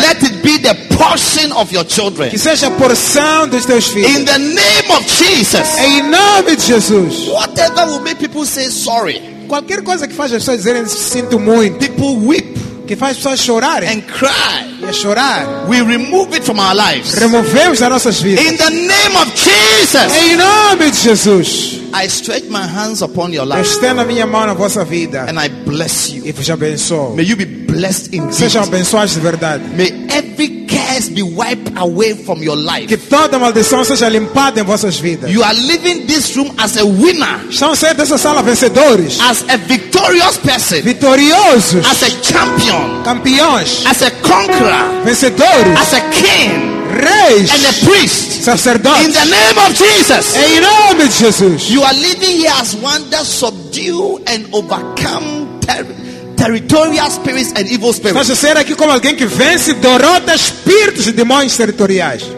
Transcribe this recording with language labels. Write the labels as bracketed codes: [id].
[en] Let it be the portion of your children. [pt] Que seja a porção dos teus filhos. [en] In the name of Jesus. [pt] Em nome de Jesus. [en] Whatever will make people say sorry. [pt] Qualquer coisa que faz as pessoas dizerem sinto muito. [en] People weep. [pt] Que faz pessoas chorarem. [en] And cry. [pt] E chorar. [en] We remove it from our lives. [pt] Removemos das nossas vidas. [en] In the name of Jesus. [pt] Em nome de Jesus. [en] I stretch my hands upon your life. [pt] Eu estendo a minha mão na vossa vida. [en] And I bless you. [pt] E vos abençoo. [en] May you be blessed indeed. [pt] Sejam abençoados de verdade. [en] May every curse be wiped away from your life. [pt] Que toda maldição seja limpada em vossas vidas. [en] You are leaving this room as a winner. [pt] Estão saindo dessa sala vencedores. [en] As a victorious person. [pt] Vitoriosos. [en] As a champion. [pt] Campeões. [en] As a conqueror. [pt] Vencedores. [en] As a king. [pt] Reis. [en] And a priest. [pt] Sacerdote. [en] In the name of Jesus. [pt] Em nome de Jesus. [en] You are living here as one that subdue and overcome territorial spirits and evil spirits. [pt] Estás a ser aqui como alguém que vence, derrota espíritos e demônios territoriais.